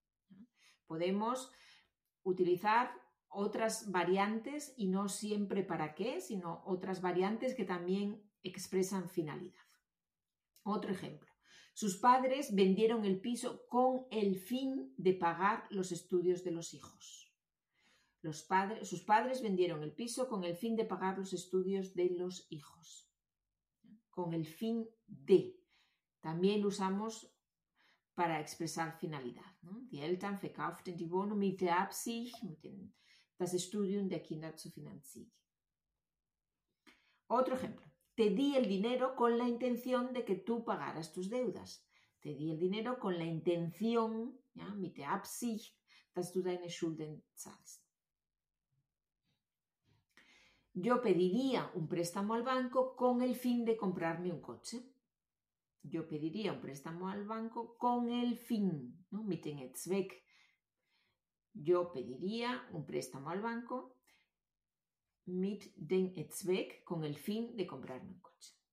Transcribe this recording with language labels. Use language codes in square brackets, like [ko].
[es] ¿Ya? Podemos utilizar otras variantes y no siempre para qué, sino otras variantes que también expresan finalidad. Otro ejemplo. Sus padres vendieron el piso con el fin de pagar los estudios de los hijos. Sus padres vendieron el piso con el fin de pagar los estudios de los hijos. Con el fin de. También lo usamos para expresar finalidad, ¿no? [de] Die Eltern verkauften die Wohnung mit der Absicht, mit dem, das Studium der Kinder zu finanzieren. [es] Otro ejemplo. Te di el dinero con la intención de que tú pagaras tus deudas. Te di el dinero con la intención, ¿ya? [de] Mit der Absicht, dass du deine Schulden zahlst. [es] Yo pediría un préstamo al banco con el fin de comprarme un coche. Yo pediría un préstamo al banco con el fin, ¿no? [de] Mit dem Zweck. [es] Yo pediría un préstamo al banco [de] mit dem Zweck, [es] con el fin de comprarme un coche.